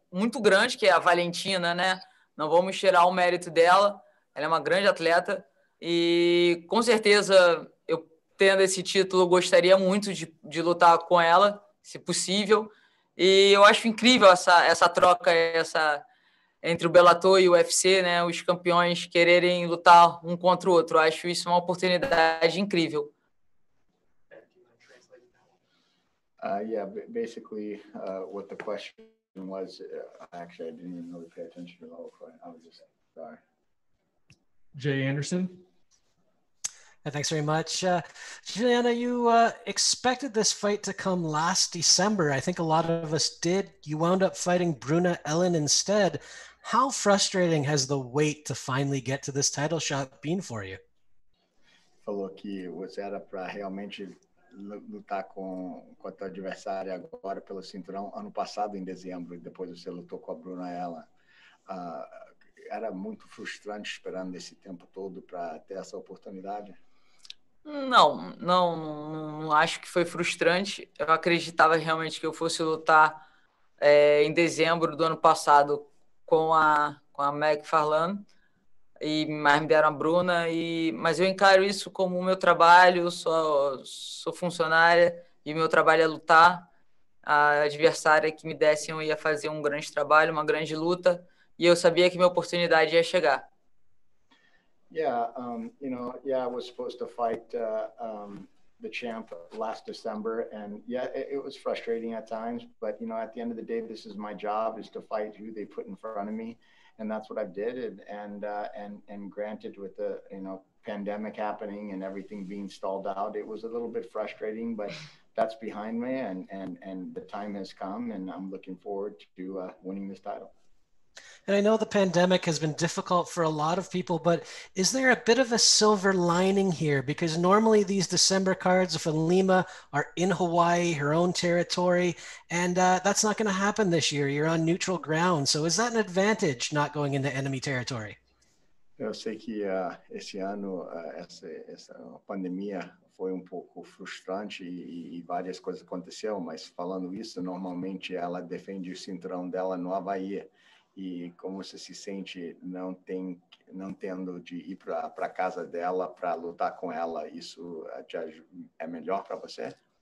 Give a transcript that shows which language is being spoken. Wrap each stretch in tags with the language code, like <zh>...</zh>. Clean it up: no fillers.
<pt>muito grande, que é a Valentina, né? Não vamos tirar o mérito dela, ela é uma grande atleta e com certeza eu, tendo esse título, gostaria muito de lutar com ela, se possível. E eu acho incrível essa troca, essa entre o Bellator e o UFC, né? Os campeões quererem lutar um contra o outro. Eu acho isso uma oportunidade incrível.</pt> <en>What the question was, actually, I didn't even really pay attention to the whole point. I was just sorry. Jay Anderson. Thanks very much. Juliana, you expected this fight to come last December. I think a lot of us did. You wound up fighting Bruna Ellen instead. How frustrating has the wait to finally get to this title shot been for you?</en> <pt>Falou que você era para realmente lutar com a tua adversária agora pelo cinturão ano passado, em dezembro, e depois você lutou com a Bruna Ellen. Era muito frustrante esperando esse tempo todo para ter essa oportunidade. Não acho que foi frustrante. Eu acreditava realmente que eu fosse lutar em dezembro do ano passado com a McFarlane, mas me deram a Bruna. Mas eu encaro isso como o meu trabalho, sou funcionária e o meu trabalho é lutar. A adversária que me desse eu ia fazer um grande trabalho, uma grande luta, e eu sabia que minha oportunidade ia chegar.</pt> <en>I was supposed to fight the champ last December, and it was frustrating at times, but you know, at the end of the day, this is my job, is to fight who they put in front of me, and that's what I did, and granted, with the, you know, pandemic happening and everything being stalled out, it was a little bit frustrating, but that's behind me, and the time has come, and I'm looking forward to winning this title. And I know the pandemic has been difficult for a lot of people, but is there a bit of a silver lining here? Because normally these December cards for Lima are in Hawaii, her own territory, and that's not going to happen this year. You're on neutral ground. So is that an advantage, not going into enemy territory?</en> <pt>Eu sei que esse ano, essa pandemia foi um pouco frustrante e várias coisas aconteceram, mas falando isso, normalmente ela defende o cinturão dela no Havaí. E como você se sente não tendo de ir para a casa dela para lutar com ela, isso é melhor para você?</pt>